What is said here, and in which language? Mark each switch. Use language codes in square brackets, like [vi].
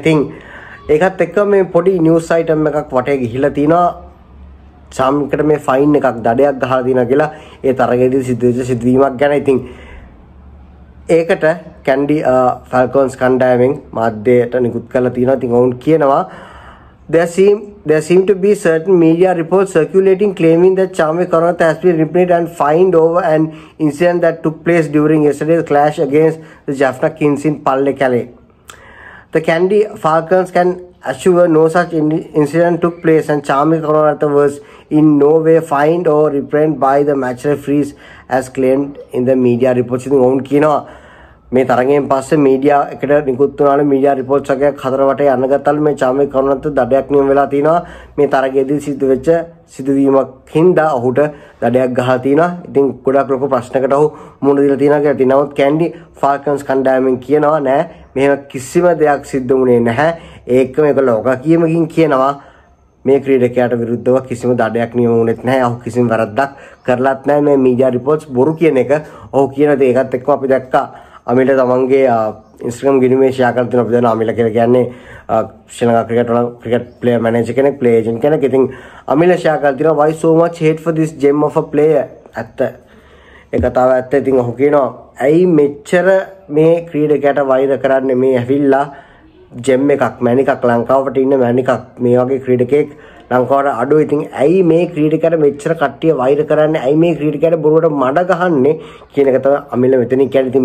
[si] ඉතින් ඒකත් එක්ක මේ පොඩි නිවුස් අයිටම් එකක් වටේ ගිහිලා තිනවා. සම්කට මේ ෆයින් එකක් දඩයක් ගහලා දිනා කියලා ඒ තරගයේදී සිද්ධ වෙච්ච සිදුවීමක් ගැන. ඉතින් ඒකට කැන්ඩි ෆැල්කොන්ස් කණ්ඩායමෙන් මාධ්‍යයට නිකුත් කරලා තියෙනවා. ඉතින් ඔවුන් කියනවා [en] there seem to be certain media reports circulating claiming that Chamik Karunarathne has been reprimanded and fined over an incident that took place during yesterday's clash against the Jaffna Kings in Pallekale. The Kandy Falcons can assure no such incident took place and Chamik Karunarathne was in no way fined or reprimanded by the match referees as claimed in the media reports. [si] ඉතින් ඔවුන් කියනවා මේ තරගයෙන් පස්සේ media එකට නිකුත් වුණාලු media reports එකක් හතර වටේ යන ගත්තාලු. මේ චාමික කරුණත් දඩයක් නියම වෙලා තිනවා. මේ තරගයේදී සිදු වෙච්ච සිදුවීමක් හින්දා ඔහුට දඩයක් ගහලා තිනවා. ඉතින් ගොඩක් ලොකු ප්‍රශ්නකට ඔහු මුහුණ දීලා තිනවා කියලා තිනවා. නමුත් කැන්ඩි ෆාල්කන්ස් කණ්ඩායමෙන් කියනවා නෑ, මෙහෙම කිසිම දෙයක් සිද්ධු වුණේ නැහැ. ඒක මේකලා ඔක කියමකින් කියනවා මේ ක්‍රීඩකයාට විරුද්ධව කිසිම දඩයක් නියම වුණෙත් නැහැ. ඔහු කිසිම වැරද්දක් කරලත් නැහැ. මේ මීඩියා රිපෝට්ස් බොරු කියන එක ඔහු කියන දේ. ඒකත් එක්ක අපි දැක්කා අමිල තමන්ගේ ඉන්ස්ටග්‍රම් ගිණුමේ ෂෙයා කර දෙන. අපි දන්න අමිල කියලා කියන්නේ ශ්‍රී ලංකා ක්‍රිකට් වල ක්‍රිකට් ප්ලේයර් මැනේජර් කෙනෙක්, ප්ලේ ඒජන්ට් කෙනෙක්. ඉතින් අමිල ෂෙයා කර දෙනවා [en] why so much hate for this gem of a player. [si] ඇත්ත ඒ කතාව ඇත්ත. ඉතින් ඔහු කියනවා ඇයි මෙච්චර මේ ක්‍රීඩකයාට වෛර කරන්නේ, මේ ඇවිල්ලා ජෙම් එකක් මැණිකක් ලංකාවට ඉන්න මැණිකක් මේ වගේ ක්‍රීඩකෙක් ලංකාවට අඩු. ඉතින් ඇයි මේ ක්‍රීඩකයාට මෙච්චර කට්ටිය වෛර කරන්නේ, ඇයි මේ ක්‍රීඩකයාට බොරුවට මඩ ගහන්නේ කියන එක තමයි අමිල මෙතනින් කියන්නේ.